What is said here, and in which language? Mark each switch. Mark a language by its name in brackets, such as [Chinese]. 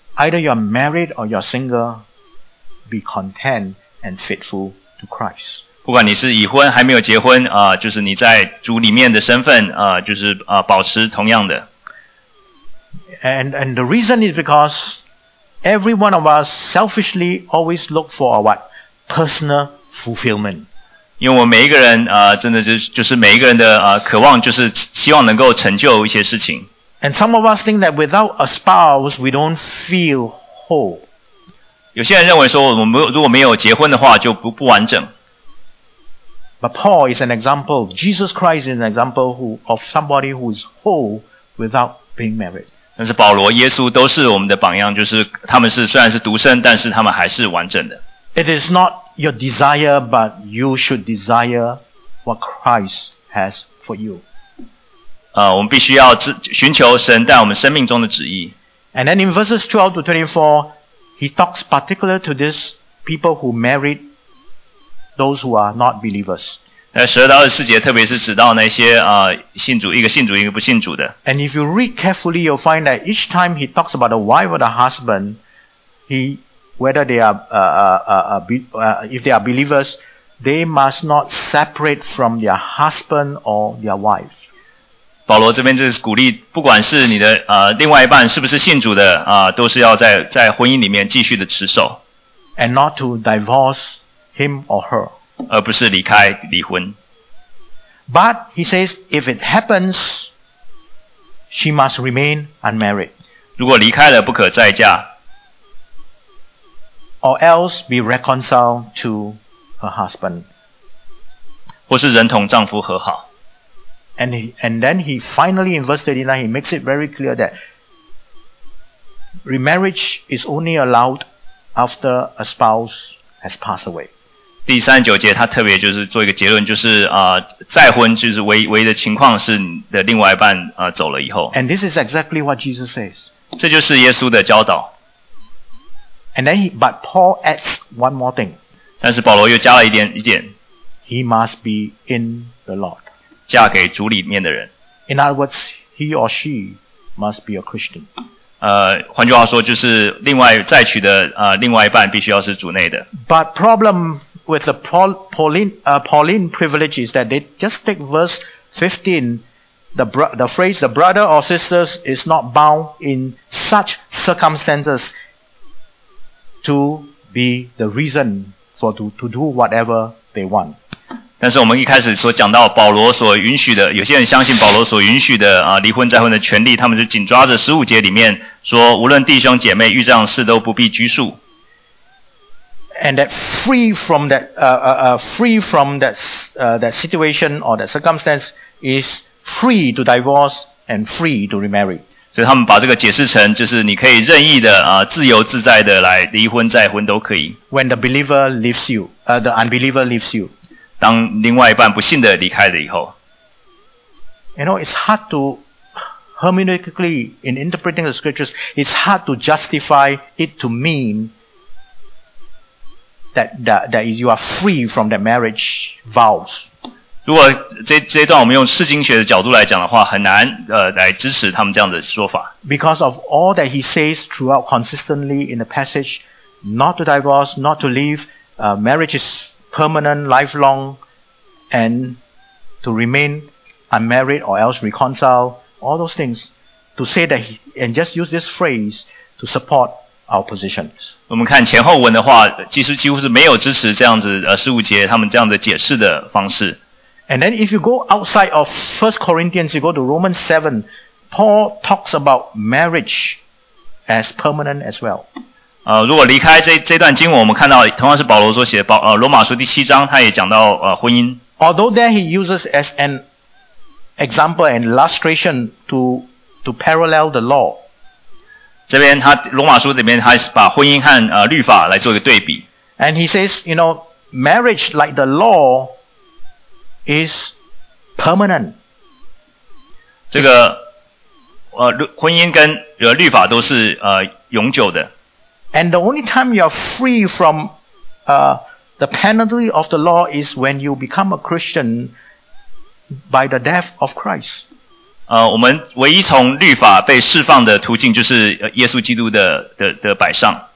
[English] Either you are married or you are single, be content and faithful to Christ. [Chinese] 不管你是已婚还没有结婚就是你在主里面的身份就是保持同样的。 [English] And the reason is because every one of us selfishly always look for a what? Personal fulfillment. [Chinese] 因为我们每一个人真的就是每一个人的渴望就是希望能够成就一些事情。 [English] And some of us think that without a spouse, we don't feel whole. [Chinese] 有些人认为说我们如果没有结婚的话就不完整。 [English] But Paul is an example. Jesus Christ is an example of somebody who is whole without being married. [Chinese] 但是保罗、耶稣都是我们的榜样，就是他们是虽然是独身，但是他们还是完整的。 [English] It is not your desire, but you should desire what Christ has for you. [Chinese] 我们必须要寻求神在我们生命中的旨意。 [English] And then in verses 12 to 24, he talks particularly to these people who married those who are not believers. [Chinese] 12到24节特别是指到那些信主，一个信主，一个不信主的。 [English] And if you read carefully, you'll find that each time he talks about a wife or a husband, if they are believers, they must not separate from their husband or their wife. [Chinese] 保罗这边就是鼓励，不管是你的另外一半是不是信主的都是要在婚姻里面继续的持守。 [English] And not to divorce him or her. [Chinese] 而不是离开离婚。 [English] But he says, if it happens, she must remain unmarried. [Chinese] 如果离开了不可再嫁。 [English] Or else be reconciled to her husband. [Chinese] 或是人同丈夫和好。 [English] And then he finally in verse 39, he makes it very clear that remarriage is only allowed after a spouse has passed away. [Chinese] 第39节他特别就是做一个结论，就是再婚就是唯一的情况是你的另外一半走了以后。 [English] And this is exactly what Jesus says. [Chinese] 这就是耶稣的教导。 [English] But Paul adds one more thing. [Chinese] 但是保罗又加了一点。 [English] He must be in the Lord. [Chinese] 嫁给主里面的人。 [English] In other words, he or she must be a Christian. [Chinese] 换句话说，就是另外再娶的另外一半必须要是主内的。 [English] But problem with the Pauline privilege is that they just take verse 15, the phrase the brother or sisters is not bound in such circumstances to be the reason for to do whatever they want. [Chinese] 但是我们一开始所讲到保罗所允许的，有些人相信保罗所允许的离婚再婚的权利，他们就紧抓着15节里面说，无论弟兄姐妹遇这样事都不必拘束。 [English] And that free from that situation or that circumstance is free to divorce and free to remarry. [Chinese] 所以他们把这个解释成就是你可以任意的自由自在的来离婚再婚都可以。 [English] When the believer leaves you, the unbeliever leaves you. [Chinese] 当另外一半不幸的离开了以后 [English] ，You know, it's hard to hermeneutically in interpreting the scriptures. It's hard to justify it to mean that is you are free from that marriage vows. [Chinese] 如果这段我们用释经学的角度来讲的话，很难来支持他们这样的说法。 [English] Because of all that he says throughout consistently in the passage, not to divorce, not to leave, marriages. Permanent, lifelong, and to remain unmarried or else reconcile, all those things, to say that, and just use this phrase to support our positions. [Chinese] 我们看前后文的话，其实几乎是没有支持这样子15节他们这样的解释的方式。 [English] And then if you go outside of 1 Corinthians, you go to Romans 7, Paul talks about marriage as permanent as well. [Chinese] 如果离开这段经文，我们看到同样是保罗所写的罗马书第七章，他也讲到婚姻。 [English] Although there he uses as an example and illustration to parallel the law. [Chinese] 这边他罗马书里面他把婚姻和律法来做一个对比。 [English] And he says, you know, marriage like the law is permanent. [Chinese] 这个婚姻跟律法都是永久的。 [English] And the only time you are free from the penalty of the law is when you become a Christian by the death of Christ. [Chinese] 我们唯一从律法被释放的途径就是耶稣基督的摆上。